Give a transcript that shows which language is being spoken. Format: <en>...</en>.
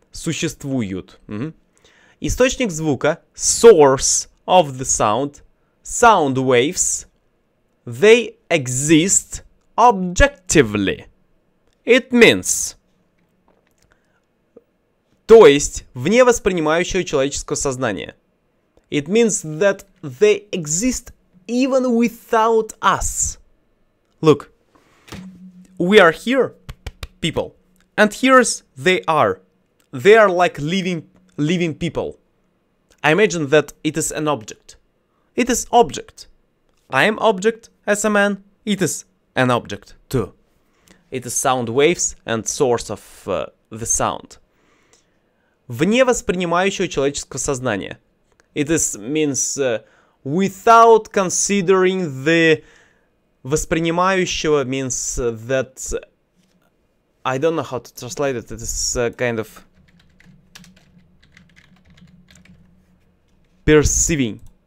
<en>Существуют. Источник звука, source of the sound, sound waves, they exist objectively. It means...</en> <ru>То есть, вне воспринимающего человеческого сознания.</ru> <en>It means that they exist even without us. Look, we are here, people, and here's they are. They are like living people. I imagine that it is an object. It is object. I am object as a man. It is an object too. It is sound waves and source of the sound.</en> <ru>Вне воспринимающего человеческого сознания.</ru> <en>It is, means without considering the воспринимающего means that I don't know how to translate it. It is kind of perceiving.</en>